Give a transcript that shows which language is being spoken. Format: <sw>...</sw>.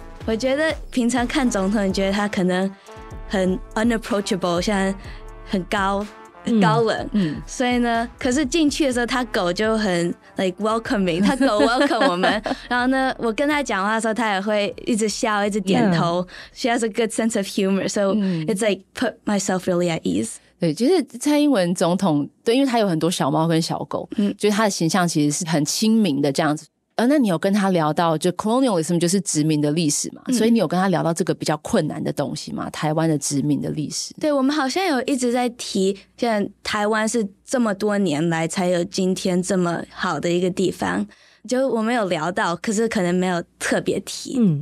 <zh>对，我觉得平常看总统，你觉得他可能很</zh> <en>unapproachable，</en> <zh>像很高。高冷，所以呢，可是进去的时候，他狗就很</zh> <en>like welcoming，</en> <zh>他狗</zh> <en>welcome</en> <zh>我们。然后呢，我跟他讲话的时候，他也会一直笑，一直点头。</zh> <en>She has a good sense of humor, so it's like put myself really at ease。</en> <zh>对，就是蔡英文总统，对，因为他有很多小猫跟小狗，就是他的形象其实是很亲民的这样子。那你有跟他聊到就 colonialism 就是殖民的历史嘛？所以你有跟他聊到这个比较困难的东西吗？台湾的殖民的历史？对，我们好像有一直在提，像台湾是这么多年来才有今天这么好的一个地方，就我们有聊到，可是可能没有特别提。</zh>